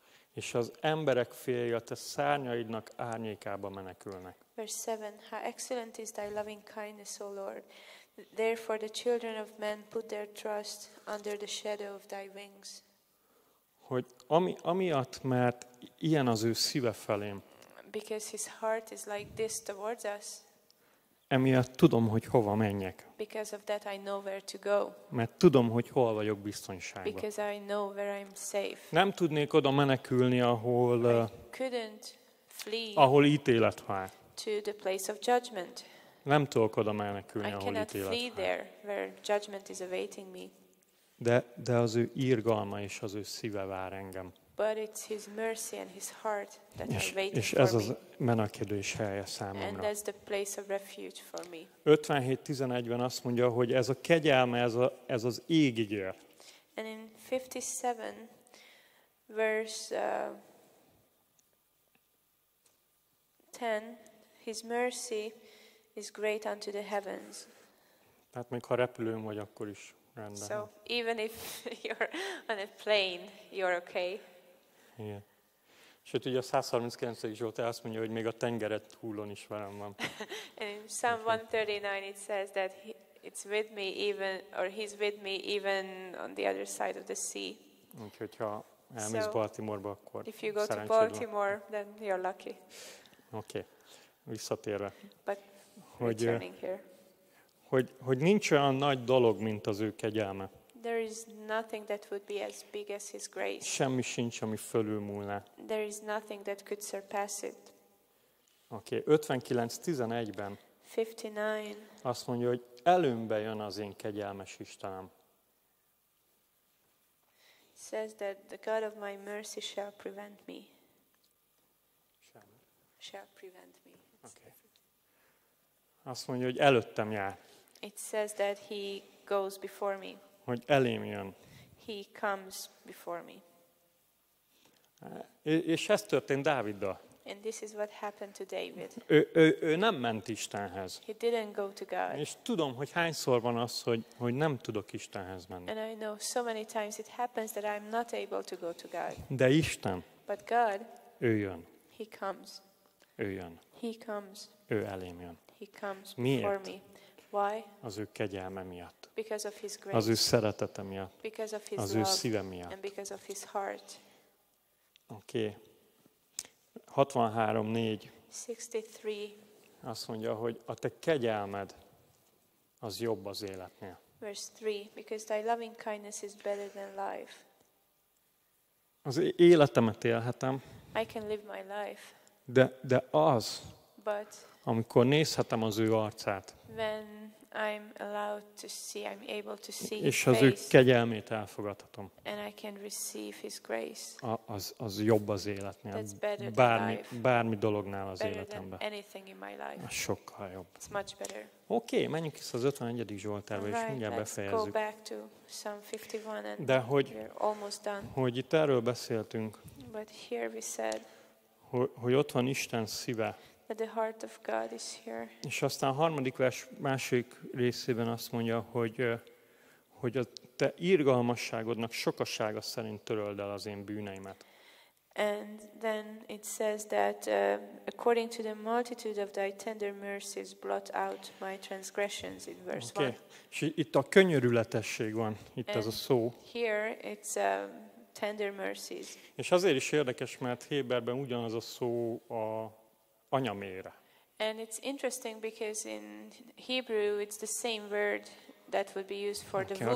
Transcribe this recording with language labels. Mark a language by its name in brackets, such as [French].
[Hungarian] És az emberek féljé a te szárnyaidnak árnyékába menekülnek. [English] Verse 7. How excellent is thy loving kindness, O Lord. Therefore the children of men put their trust under the shadow of thy wings. [Hungarian] Hogy amiatt, mert ilyen az ő szíve felém. [English] Because his heart is like this towards us. [Hungarian] Emiatt tudom, hogy hova menjek. [English] Because of that I know where to go. [Hungarian] Mert tudom, hogy hol vagyok biztonságban. [English] Because I know where I'm safe. [Hungarian] Nem tudnék oda menekülni, ahol [English] I couldn't flee. [Hungarian] Ahol ítélet vár. [English] To the place of judgment. [Hungarian] Nem tudok oda menekülni, [English] I [Hungarian] ahol ítélet vár. [English] I cannot flee there where judgment is awaiting me. [Hungarian] De az ő irgalma és az ő szíve vár engem. [English] But it's his mercy and his heart that are waiting for me. [Hungarian] És ez az menekedés helye számomra. [English] And that's the place of refuge for me. [Hungarian] 57:11-ben azt mondja, hogy ez a kegyelme, ez az égig ér. [English] And in 57 verse 10 his mercy is great unto the heavens. [Hungarian] Tehát még ha repülőn vagy, akkor is rendben. [English] So even if you're on a plane, you're okay. [Hungarian] Igen. Sőt, ugye a 139. Zsoltár azt mondja, hogy még a tengeret hullon is velem van. [English] And in Psalm 139 it says that it's with me even, or he's with me even on the other side of the sea. [Hungarian] Úgyhogy ha elmész Baltimore-ba, akkor [English] if you go to Baltimore, then you're lucky. [Hungarian] Okay. Visszatérve. [English] But hogy, returning here. [Hungarian] Hogy nincs olyan nagy dolog, mint az ő kegyelme. [English] There is nothing that would be as big as his grace. [Hungarian] Semmi sincs, ami fölülmúlna. [English] There is nothing that could surpass it. [Hungarian] Oké, 59:11-ben. 59. Azt mondja, hogy előmbe jön az én kegyelmes Istenem. [English] It says that the God of my mercy shall prevent me. Shall prevent me. Oké. Okay. [Hungarian] Azt mondja, hogy előttem jár. [English] It says that he goes before me. [Hungarian] Hogy elém jön. [English] He comes before me. [Hungarian] És ez történt Dáviddal. [English] And this is what happened to David. [Hungarian] Ő nem ment Istenhez. [English] He didn't go to God. [Hungarian] És tudom, hogy hányszor van az, hogy nem tudok Istenhez menni. [English] And I know so many times it happens that I'm not able to go to God. [Hungarian] De Isten. [English] But God. [Hungarian] Ő jön. [English] He comes. [Hungarian] Ő jön. [English] He comes. [Hungarian] Ő elém jön. [English] He comes before me. Why? [Hungarian] Az ő kegyelme miatt. [English] Because of his grace. [Hungarian] Az ő szeretete miatt. [English] Because of his [Hungarian] az [English] love. [Hungarian] Ő szíve miatt. [English] And because of his heart. [Hungarian] Oké. 63:4. 63. Azt mondja, hogy a te kegyelmed az jobb az életnél. [English] Verse 3. Because thy loving kindness is better than life. [Hungarian] Az életemet élhetem. [English] I can live my life. [Hungarian] De az, [English] but [Hungarian] amikor nézhetem az ő arcát, [English] when I'm allowed to see, I'm able to see his face. [Hungarian] És az ő kegyelmét elfogadhatom. [English] And I can receive his grace. [Hungarian] Az jobb az életnél. [English] That's better than [Hungarian] bármi dolognál az életemben. [English] Better than anything in my life. [Hungarian] Az sokkal jobb. [English] It's much better. [Hungarian] Okay, menjünk vissza az 51. Zsoltárba, és mindjárt befejezzük. [English] Let's go back to Psalm 51 and [Hungarian] de hogy, [English] we're almost done. [Hungarian] Hogy itt erről beszéltünk, [English] but here we said, [Hungarian] hogy ott van Isten szíve. [English] That the heart of God is here. [Hungarian] És aztán a harmadik vers másik részében azt mondja, hogy a te irgalmasságodnak sokasága szerint töröld el az én bűneimet. [English] And then it says that according to the multitude of thy tender mercies blot out my transgressions in verse 1. [Hungarian] És itt a könyörületesség van, itt [English] and [Hungarian] ez a szó. [English] Here it's tender mercies. [Hungarian] És azért is érdekes, mert Héberben ugyanaz a szó a anyamére. [English] And it's interesting because in Hebrew it's the same word that would be used for the womb.